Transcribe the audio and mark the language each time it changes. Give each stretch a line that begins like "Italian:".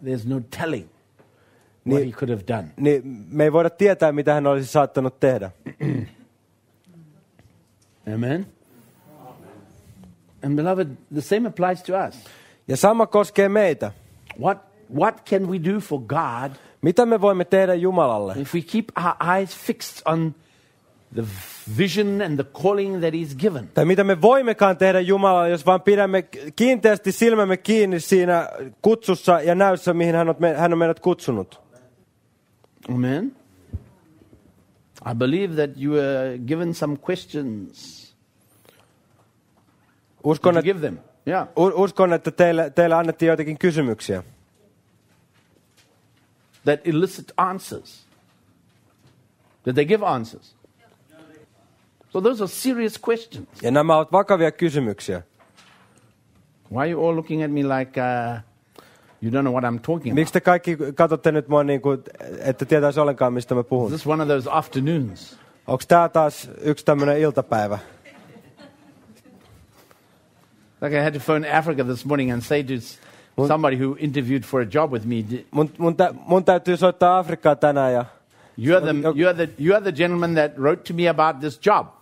English: There's no telling what he could have done.
Finnish: Niin me ei voida tietää, mitä hän olisi saattanut tehdä.
English: Amen. And beloved, the same applies to us.
Finnish: Ja sama koskee meitä.
English: What can we do for God?
Finnish: Mitä me voimme tehdä Jumalalle?
English: If we keep our eyes fixed on the vision and the calling that he's given.
Finnish: Tai mitä me voimmekaan tehdä Jumalalle, jos vaan pidämme kiinteästi silmämme kiinni siinä kutsussa ja näyssä, mihin hän on meidät kutsunut.
English: Amen. I believe that you were given some questions.
Finnish: Uskon,
English: did you give them? Yeah.
Finnish: Uskon, että teille annettiin joitakin kysymyksiä.
English: that elicit answers. Did they give answers? So those are serious questions.
Finnish: Ja nämä ovat vakavia kysymyksiä.
English: Why are you all looking at me like you don't know what I'm talking about?
Finnish: Miksi te kaikki katsotte nyt mua niin kuin, että tietäis ollenkaan, mistä mä puhun?
English: Is this one of those afternoons?
Finnish: Onks tää taas yksi tämmönen iltapäivä?
English: Like I had to phone Africa this morning and say to somebody who interviewed for a job with me.
Finnish: Mun täytyy soittaa Afrikkaa tänään ja...
English: You are the gentleman that wrote to me about this job.